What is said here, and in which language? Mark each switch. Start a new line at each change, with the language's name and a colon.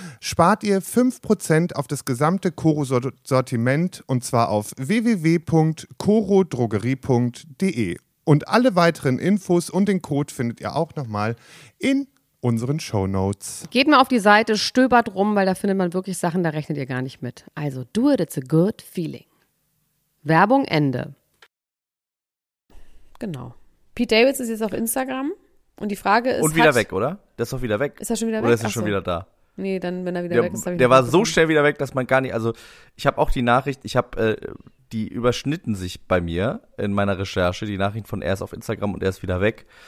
German: Spart ihr 5% auf das gesamte Koro-Sortiment und zwar auf www.korodrogerie.de. Und alle weiteren Infos und den Code findet ihr auch nochmal in unseren Shownotes. Geht mal auf die Seite, stöbert rum, weil da findet man wirklich Sachen, da rechnet ihr gar nicht mit.
English: Also do it, it's a good feeling.
German: Werbung Ende. Genau. Pete Davids ist jetzt auf Instagram und die Frage ist... Und wieder weg, oder? Der ist doch wieder weg. Ist er schon wieder weg? Oder ist er schon wieder da? Nee, dann, wenn er wieder weg ist, dann... Der war so schnell wieder weg, dass man gar nicht... Also, ich habe auch die Nachricht, die überschnitten sich bei mir in meiner Recherche, die Nachricht von er ist auf Instagram und er ist wieder weg.